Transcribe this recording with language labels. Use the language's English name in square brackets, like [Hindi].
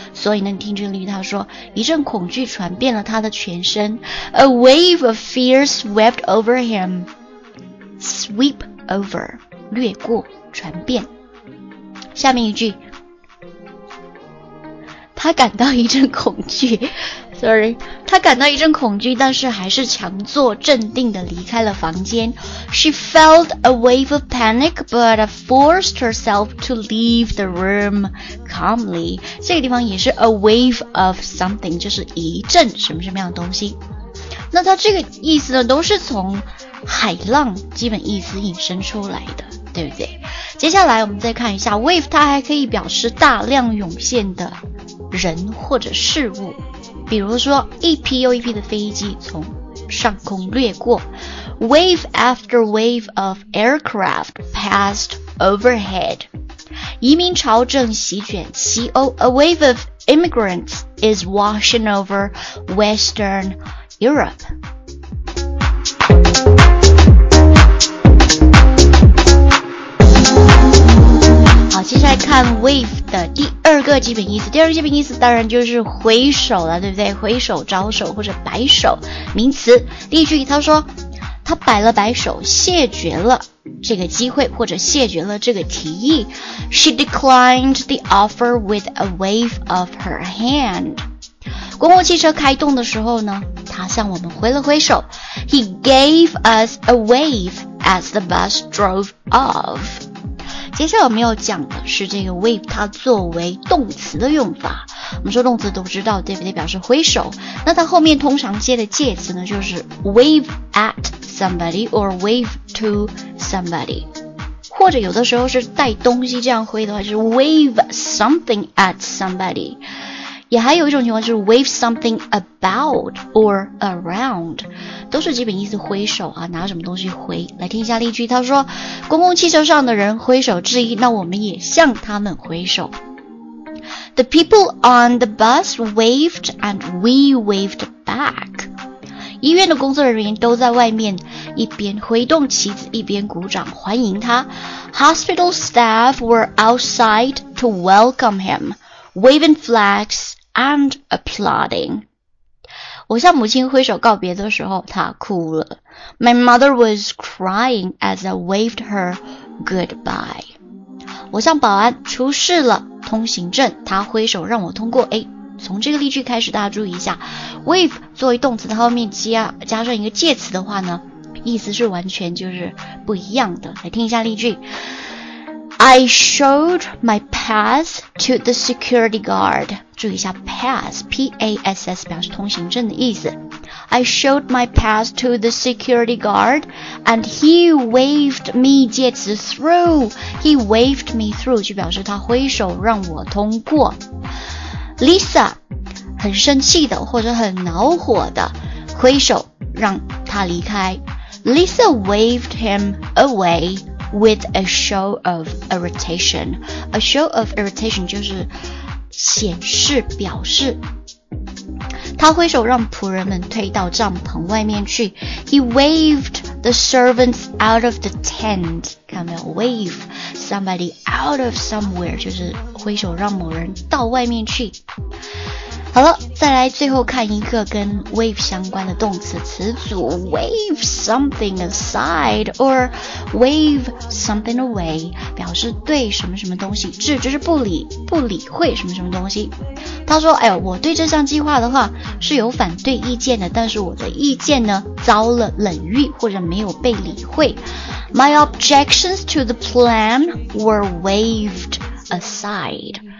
[Chinese] 所以呢你听这个例子，它说一阵恐惧传遍了他的全身， [English] A wave of fear swept over him， [Chinese] sweep over， 掠过传遍。下面一句，他感到一阵恐惧他感到一阵恐惧，但是还是强作镇定地离开了房间。 [English] She felt a wave of panic but forced herself to leave the room calmly。 [Chinese] 这个地方也是 [English] a wave of something， [Chinese] 就是一阵什么什么样的东西。那它这个意思呢都是从海浪基本意思引申出来的，对不对？接下来我们再看一下 wave， 它还可以表示大量涌现的人或者事物，比如说一批又一批的飞机从上空掠过， [English] Wave after wave of aircraft passed overhead， [Chinese] 移民潮正席卷西欧， [English] A wave of immigrants is washing over Western Europe。 [Chinese] 接下来看 wave 的第二个基本意思，第二个基本意思当然就是挥手了，对不对？挥手、招手或者摆手，名词。例句，他说他摆了摆手，谢绝了这个机会或者谢绝了这个提议。 [English] She declined the offer with a wave of her hand。 [Chinese] 公共汽车开动的时候呢，他向我们挥了挥手。 [English] He gave us a wave as the bus drove off。 [Chinese] 接下来我们要讲的是这个 wave 它作为动词的用法。我们说动词都知道，对不对？表示挥手。那它后面通常接的介词呢，就是 [English] wave at somebody or wave to somebody， [Chinese] 或者有的时候是带东西这样挥的话，就是 [English] wave something at somebody。 [Chinese] 也还有一种情况就是 [English] wave something about or around， [Chinese] 都是基本意思挥手啊，拿什么东西挥。来听一下例句，他说公共汽车上的人挥手致意，那我们也向他们挥手。 [English] The people on the bus waved and we waved back。 [Chinese] 医院的工作人员都在外面一边挥动旗子一边鼓掌欢迎他。 [English] Hospital staff were outside to welcome him waving flags and applauding。 [Chinese] 我向母亲挥手告别的时候她哭了。 [English] My mother was crying as I waved her goodbye。 [Chinese] 我向保安出示了通行证，她挥手让我通过，从这个例句开始，大家注意一下 ，with 作为动词的后面加上一个介词的话呢，意思是完全就是不一样的。来听一下例句 [English] ：I showed my pass to the security guard。 [Chinese] 注意一下 pass，P-A-S-S 表示通行证的意思。 [English] I showed my pass to the security guard, and he waved me [Chinese] 介词 [English] through. [Chinese] He waved me through 就表示他挥手让我通过。 Lisa 很生气的或者很恼火的挥手让他离开。 [English] Lisa waved him away with a show of irritation. A show of irritation [Chinese] 就是显示表示。他挥手让仆人们推到帐篷外面去。 [English] He waved the servants out of the tent. [Chinese] 看到没有 ？ [English] Wave somebody out of somewhere [Chinese] 就是挥手让某人到外面去。好了，再来最后看一个跟 wave 相关的动词词组 ： [English] wave something aside or wave something away， [Chinese] 表示对什么什么东西置之不理，不理会什么什么东西。他说：“哎呦，我对这项计划的话是有反对意见的，但是我的意见呢遭了冷遇或者没有被理会。 [English] My objections to the plan were waved aside。”